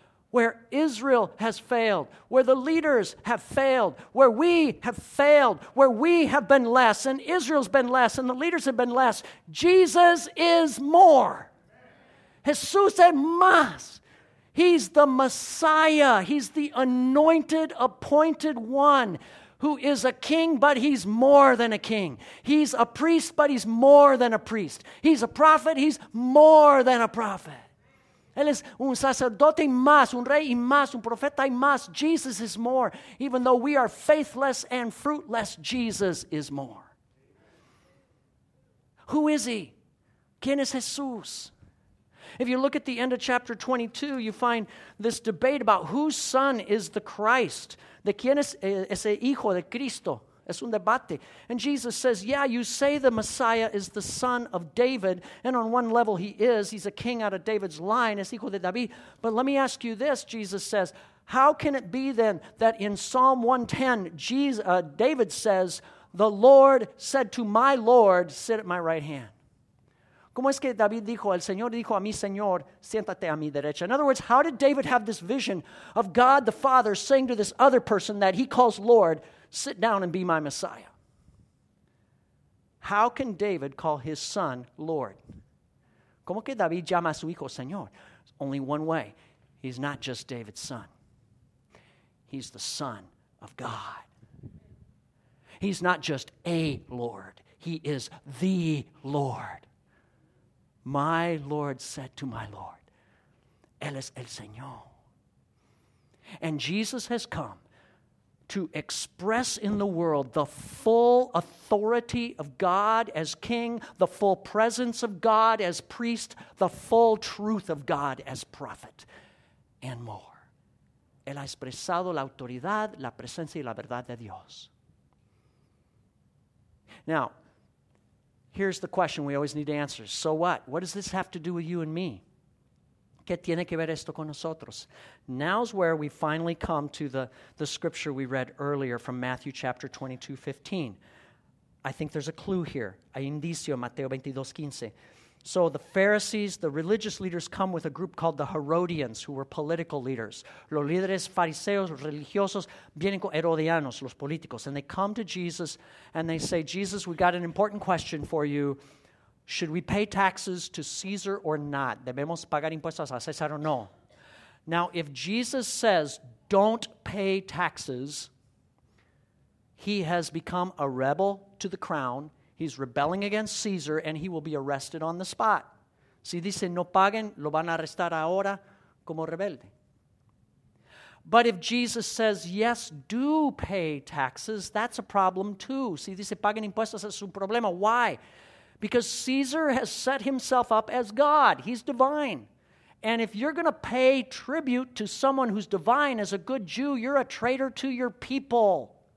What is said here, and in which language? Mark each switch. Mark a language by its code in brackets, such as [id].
[en] Where Israel has failed, where the leaders have failed, where we have failed, where we have been less, and Israel's been less, and the leaders have been less, Jesus is more. [es] Jesús es más. [en] He's the Messiah. He's the anointed, appointed one who is a king, but he's more than a king. He's a priest, but he's more than a priest. He's a prophet. He's more than a prophet. [es] Él es un sacerdote más, un rey y más, un profeta y más. [en] Jesus is more. Even though we are faithless and fruitless, Jesus is more. Who is he? [es] ¿Quién es Jesús? [en] If you look at the end of chapter 22, you find this debate about whose son is the Christ. [es] ¿De quién es ese hijo de Cristo? Es un debate. [en] And Jesus says, yeah, you say the Messiah is the son of David, and on one level he is. He's a king out of David's line, [es] es hijo de David. [en] But let me ask you this, Jesus says, how can it be then that in Psalm 110, David says, the Lord said to my Lord, sit at my right hand? [es] ¿Cómo es que David dijo, el Señor dijo a mi Señor, siéntate a mi derecha? [en] In other words, how did David have this vision of God the Father saying to this other person that he calls Lord, sit down and be my Messiah? How can David call his son Lord? ¿Cómo que David llama a su hijo Señor? Only one way. He's not just David's son. He's the Son of God. He's not just a Lord. He is the Lord. My Lord said to my Lord, [es] Él es el Señor. [en] And Jesus has come to express in the world the full authority of God as King, the full presence of God as priest, the full truth of God as prophet, and more. [es] Él ha expresado la autoridad, la presencia y la verdad de Dios. [en] Now, here's the question we always need answers. So what? What does this have to do with you and me? [es] ¿Qué tiene que ver esto con nosotros? [en] Now's where we finally come to the scripture we read earlier from Matthew chapter 22, 15. I think there's a clue here. [es] Hay indicio, Mateo 22, 15. [en] So the Pharisees, the religious leaders, come with a group called the Herodians, who were political leaders. [es] Los líderes fariseos, religiosos, vienen con Herodianos, los políticos. [en] And they come to Jesus, and they say, Jesus, we got an important question for you. Should we pay taxes to Caesar or not? [es] ¿Debemos pagar impuestos a César o no? [en] Now, if Jesus says, don't pay taxes, he has become a rebel to the crown. He's rebelling against Caesar, and he will be arrested on the spot. [es] Si dice no paguen, lo van a arrestar ahora como rebelde. [en] But if Jesus says, yes, do pay taxes, that's a problem too. [es] Si dice paguen impuestos, es un problema. [en] Why? Because Caesar has set himself up as God. He's divine. And if you're going to pay tribute to someone who's divine as a good Jew, you're a traitor to your people.